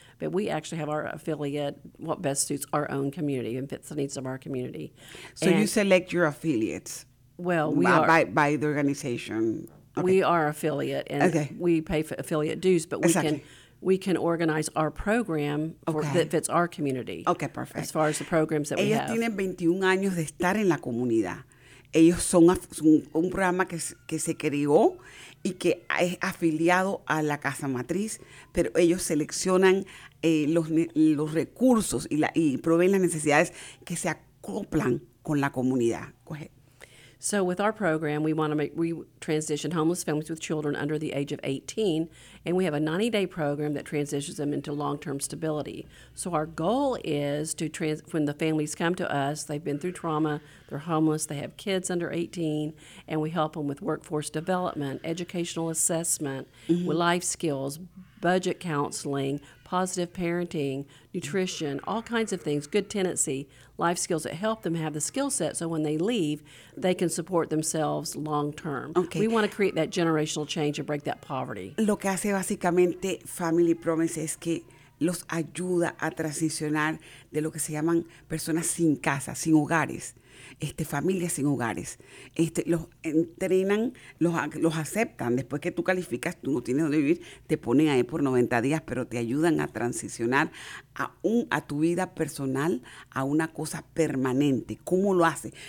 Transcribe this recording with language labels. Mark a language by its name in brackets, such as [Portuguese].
[English] But we actually have our affiliate, what best suits our own community and fits the needs of our community. So you select your affiliates? Well, we by, are. By the organization? Okay. We are affiliate, and we pay for affiliate dues, but we can organize our program for, that fits our community. Okay, perfect. As far as the programs that [Spanish] Ellas [English] we have. [Spanish] Ellas tienen 21 años de estar en la comunidad. Ellos son un programa que se creó y que es afiliado a la Casa Matriz, pero ellos seleccionan los recursos y proveen las necesidades que se acoplan con la comunidad. [English] Go ahead. So with our program, we transition homeless families with children under the age of 18, and we have a 90-day program that transitions them into long-term stability. So our goal is to when the families come to us, they've been through trauma, they're homeless, they have kids under 18, and we help them with workforce development, educational assessment, with life skills, budget counseling, positive parenting, nutrition, all kinds of things, good tenancy, life skills that help them have the skill set so when they leave, they can support themselves long term. Okay. We want to create that generational change and break that poverty. [Spanish] Lo que hace básicamente Family Promise es que los ayuda a transicionar de lo que se llaman personas sin casa, sin hogares, familias sin hogares. Los entrenan, los aceptan. Después que tú calificas, tú no tienes donde vivir, te ponen ahí por 90 días, pero te ayudan a transicionar a tu vida personal a una cosa permanente. ¿Cómo lo hace?